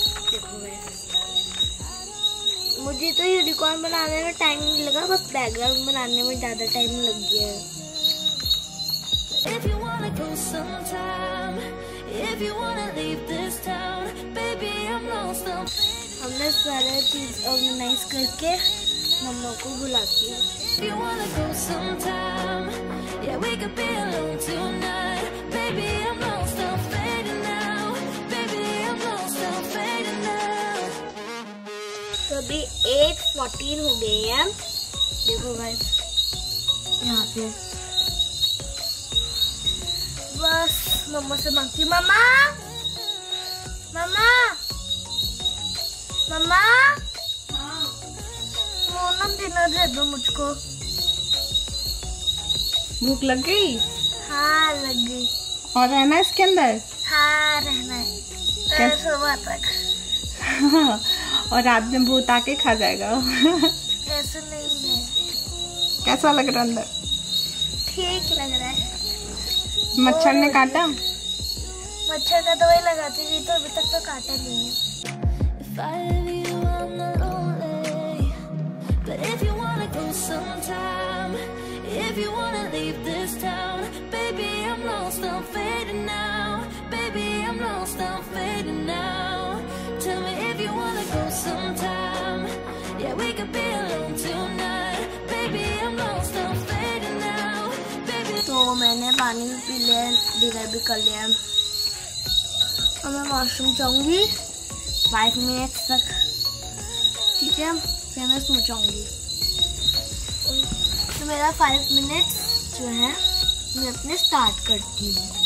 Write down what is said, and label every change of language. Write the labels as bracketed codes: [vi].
[hi] देखो मैं, मुझे तो यूनिकॉर्न बनाने में टाइम नहीं लगा, बस बैकग्राउंड बनाने में ज़्यादा टाइम लग गया है। हमने सारे चीज ऑर्गेनाइज करके मम्मा को बुलाती हूँ। [en] If you wanna go sometime, yeah, we could be alone tonight. Baby, I'm lost, I'm fading now. Baby, I'm lost, I'm fading now. [hi] So, be 8:14 ho gaye hain. Dekho guys, yahan pe. Bas, mama se mangti, mama, mama, mama. Dinner दे दो मुझको। भूख लग गई? हाँ लग गई। और रहना है इसके अंदर? हाँ रहना है सुबह तक। और रात में भूत आके खा जाएगा? ऐसा नहीं है। कैसा लग रहा अंदर? ठीक लग रहा है। मच्छर ने काटा? मच्छर का दवाई लगाती थी तो अभी तक तो काटा नहीं है। [en] If you wanna go sometime, if you wanna leave this town, baby I'm lost, I'm fading now. Baby I'm lost, I'm fading now. Tell me if you wanna go sometime, yeah we could be alone tonight. Baby I'm lost, I'm fading now. Baby. [hi] So मैंने पानी P लिया, dinner भी कर लिया। अब मैं washroom जाऊंगी, 5 minutes तक, ठीक है, फिर मैं सो जाऊंगी। तो मेरा 5 मिनट्स जो है मैं अपने स्टार्ट करती हूँ।